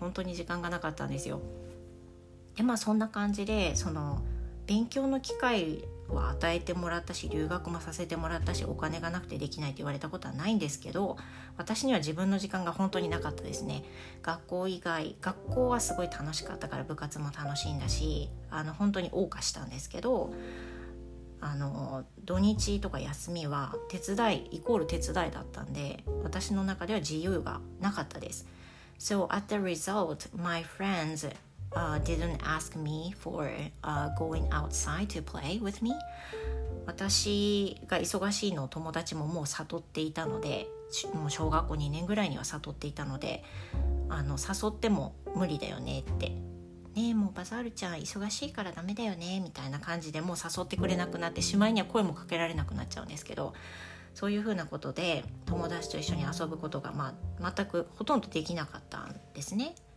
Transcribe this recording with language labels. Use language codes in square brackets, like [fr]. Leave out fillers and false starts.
[ja] 本当に時間がなかったんですよ。で、まあそんな感じでその勉強の機会は与えてもらったし留学もさせてもらったしお金がなくてできないって言われたことはないんですけど、私には自分の時間が本当になかったですね。学校以外、学校はすごい楽しかったから部活も楽しいんだし本当に謳歌したんですけど、土日とか休みは手伝いイコール手伝いだったんで私の中では自由がなかったです。 [en] So at the result, my friendsdidn't ask me for going outside to play with me. [ja] 私が忙しいのを友達ももう悟っていたので、もう小学校2年ぐらいには悟っていたので、誘っても無理だよねって。ねえ、もうバザールちゃん忙しいからダメだよねみたいな感じでもう誘ってくれなくなって、しまいには声もかけられなくなっちゃうんですけど、そういうふうなことで友達と一緒に遊ぶことが、まあ、全くほとんどできなかったんですね。